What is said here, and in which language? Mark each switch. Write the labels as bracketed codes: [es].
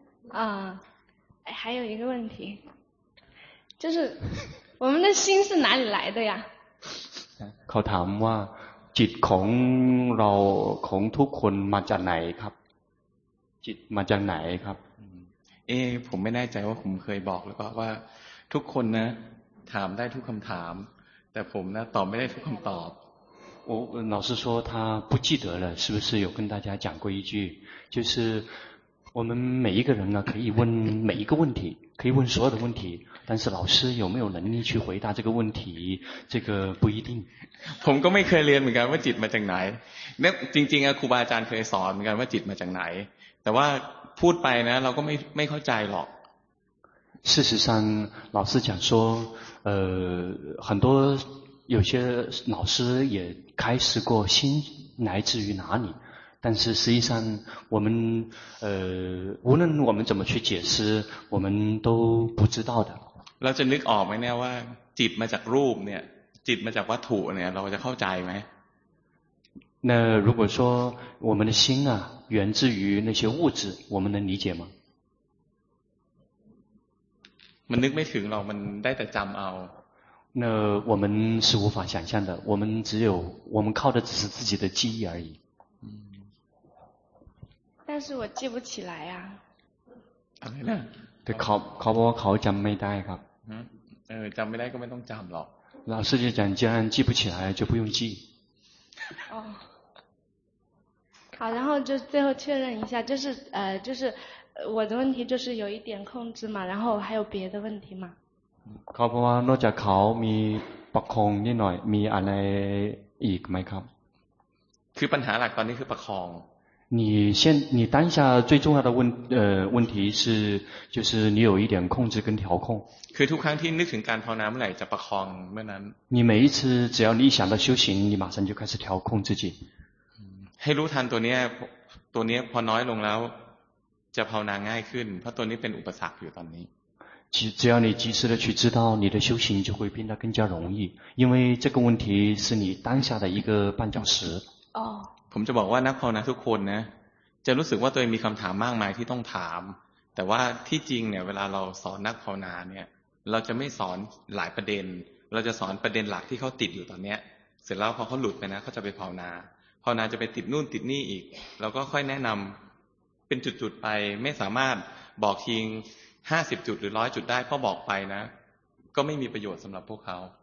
[zh] 啊还有一个问题就是我们的心是哪里来的呀 [th] เขาถามว่าจิตของเราของทุกคนมาจากไหนครับจิตมาจากไหนครับ เอ๊ะผมไม่แน่ใจว่าผมเคยบอกหรือเปล่าว่าทุกคนนะถามได้ทุกคำถามแต่ผมนะตอบไม่ได้ทุกคำตอบ [zh] 我老师说他不记得了是不是有跟大家讲过一句就是我们每一个人呢可以问每一个问题可以问所有的问题但是老师有没有能力去回答这个问题这个不一定 [th] ผมก็ไม่เคยเรียนเหมือนกันว่าจิตมาจากไหนเนี่ยจริงๆอ่ะครูบาอาจารย์เคยสอนเหมือนกันว่าจิตมาจากไหนแต่ว่าพูดไปนะเราก็ไม่เข้าใจหรอก [zh] 事实上老师讲说很多有些老师也开始过心来自于哪里但是实际上我们无论我们怎么去解释我们都不知道的 [th] เราจะนึกออกไหมเนี่ยว่าจิตมาจากรูปเนี่ยจิตมาจากวัตถุเนี่ยเราจะเข้าใจไหม [zh] 那如果说我们的心啊源自于那些物质我们能理解吗 [th] มันนึกไม่ถึงหรอกมันได้แต่จำเอา [zh] 那我们是无法想象的我们只有我们靠的只是自己的记忆而已但是我记不起来啊 [th] อะไรนะ แต่เขาบอกว่าเขาจำไม่ได้ครับ จำไม่ได้ก็ไม่ต้องจำหรอก [zh] 老师就讲既然记不起来就不用记哦好然后就最后确认一下就是就是我的问题就是有一点控制嘛然后还有别的问题吗 [th] เขาบอกว่านอกจากเขามีประคองนิดหน่อยมีอะไรอีกไหมครับ คือปัญหาหลักตอนนี้คือประคอง [zh] 你当下最重要的问题是就是你有一点控制跟调控 [th] คือทุกครั้งที่นึกถึงการภาวนาเมื่อไหร่จะประคองเมื่อนั้น [zh] 你每一次只要你想到修行你马上就开始调控自己 [th] ให้รู้ทันตัวนี้พอน้อยลงแล้วจะภาวนาง่ายขึ้นเพราะตัวนี้เป็นอุปสรรคอยู่ตอนนี้ [zh] 只要你及时的去知道，你的修行就会变得更加容易，因为这个问题是你当下的一个绊脚石。哦。 [th] ผมจะบอกว่านักภาวนาทุกคนนะจะรู้สึกว่าตัวเองมีคำถามมากมายที่ต้องถามแต่ว่าที่จริงเนี่ยเวลาเราสอนนักภาวนาเนี่ยเราจะไม่สอนหลายประเด็นเราจะสอนประเด็นหลักที่เขาติดอยู่ตอนเนี้ยเสร็จแล้วพอเขาหลุดไปนะเขาจะไปภาวนาจะไปติดนู่นติดนี่อีกเราก็ค่อยแนะนำเป็นจุดๆไปไม่สามารถบอกทิ้ง50จุดหรือ100จุดได้พอบอกไปนะก็ไม่มีประโยชน์สำหรับพวกเขา